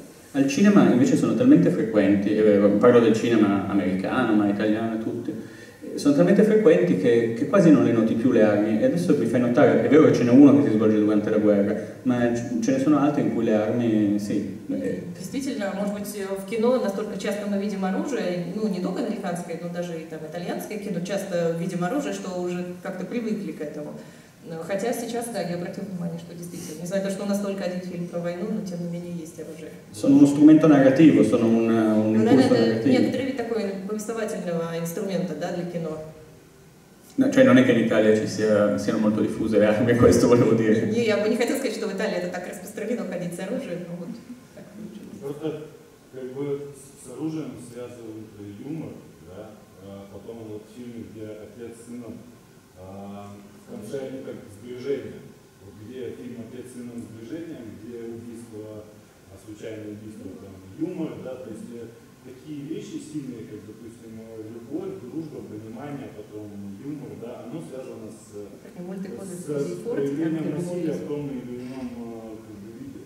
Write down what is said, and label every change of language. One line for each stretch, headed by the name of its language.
Italian: Al cinema invece sono talmente frequenti, parlo del cinema americano, ma italiano e tutti, sono talmente frequenti che quasi non le noti più le armi. E adesso mi fai notare, è vero che ce n'è uno che si svolge durante la guerra, ma ce ne sono altri in cui le armi, sì.
Russian: Действительно, может быть, в кино настолько часто мы видим оружие, ну, не только американское, но даже и там итальянское кино часто видим оружие, что уже как-то привыкли к этому. Но, хотя сейчас, да, я обратил внимание, что действительно, не знаю, то, что у нас только один фильм про войну, но тем не менее есть оружие.
Italian: Sono uno strumento narrativo, sono un impulso narrativo.
Russian: Некоторые виды такой повествовательного инструмента, да, для кино.
Italian: No, cioè non è che in Italia ci sia, siano molto diffuse le armi, questo volevo dire.
Russian: Не, я бы не хотел сказать, что в Италии это так распространено ходить с оружием, но вот так с оружием связывают юмор, да, а потом вот в фильме, где отец с сыном, в конце они как сближение, вот где фильм «Отец с сыном сближением», где убийство, а случайное убийство, там, юмор, да, то есть такие вещи сильные, как, допустим, любовь, дружба, понимание, потом юмор, да, оно связано с проявлением насилия в том или ином как бы, виде.